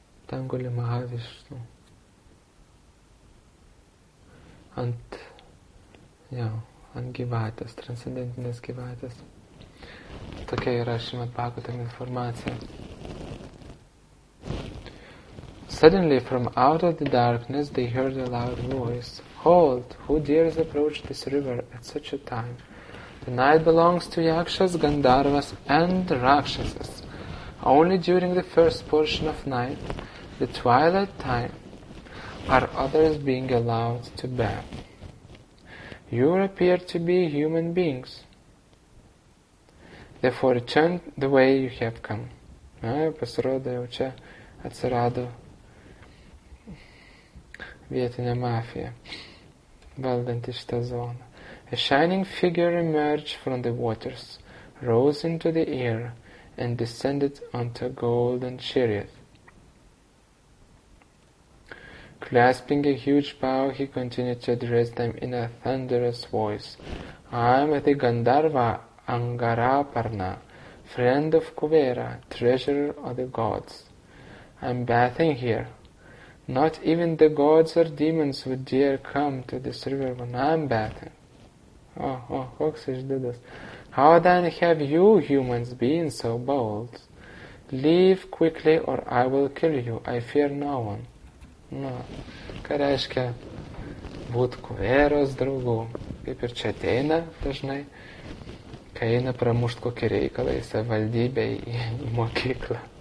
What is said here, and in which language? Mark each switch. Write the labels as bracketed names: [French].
[Lithuanian] Ten guli Mahavišnu. Ant gyvatės, transcendentinės gyvatės. Tokia yra šiame pakutam informacija. [English] Suddenly, from out of the darkness, they heard a loud voice. "Hold! Who dares approach this river at such a time? The night belongs to Yakshas, Gandharvas, and Rakshasas. Only during the first portion of night, the twilight time, are others being allowed to bathe. You appear to be human beings. Therefore, return the way you have come." [Lithuanian] Na, jau pasirodo, jau čia atsirado vietinė mafija, valdanti šitą zoną. [English] A shining figure emerged from the waters, rose into the air, and descended onto a golden chariot. Clasping a huge bow, he continued to address them in a thunderous voice. "I am the Gandharva, Angaraparna, friend of Kubera, treasurer of the gods. I'm bathing here. Not even the gods or demons would dare come to this river when I'm bathing. Oh, Hoxish Dudas. How then have you humans been so bold? Leave quickly or I will kill you. I fear no one. No. [Lithuanian] Ką reiškia būt kuveros draugu? Kaip ir čia ateina dažnai, kai eina pramušt kokį reikalą į savivaldybę, į mokyklą.